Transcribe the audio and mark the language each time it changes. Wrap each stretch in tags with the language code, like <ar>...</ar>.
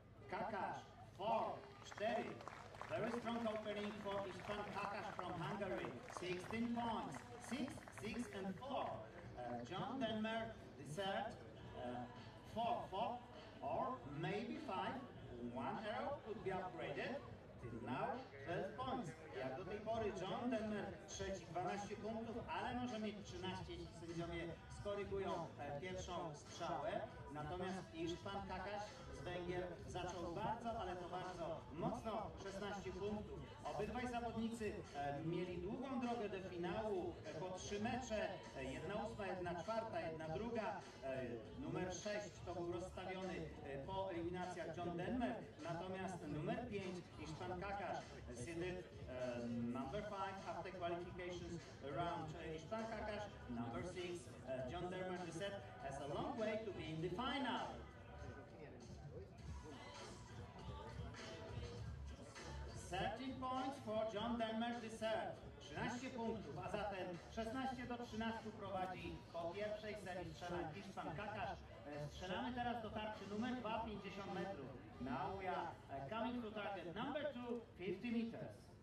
<en>Kakás, four, steady. Very strong opening for István Kakás from Hungary. 16 points, 6, 6 and 4. John Denmer, the third, 4, 4 or maybe 5. One arrow could be upgraded. Till now, 12 points.</en> <pl>Jak do tej pory John Denmer, trzeci, 12 punktów, ale może mieć 13, jeśli sędziowie skorygują pierwszą strzałę. Natomiast István Kakás z Węgier zaczął bardzo, ale to bardzo mocno, 16 punktów. Obydwaj zawodnicy mieli długą drogę do finału, po 3 mecze, 1/8, 1/4, 1/2. Numer 6 to był rozstawiony po eliminacjach John Denmer, natomiast numer 5 István Kakás z jednym</pl> <en>number 5 after qualifications round. István Kakás, number 6, John Denmer the set, has a long way to be in the final. Thirteen points for John Denmer the third.</en> <pl>13 punktów, a zatem 16 do 13 prowadzi po pierwszej serii strzelań István Kakás. Strzelamy teraz do tarczy numer 2, 50 metrów.</pl> <en>Now we are coming to target number 2, 50 meters.</en>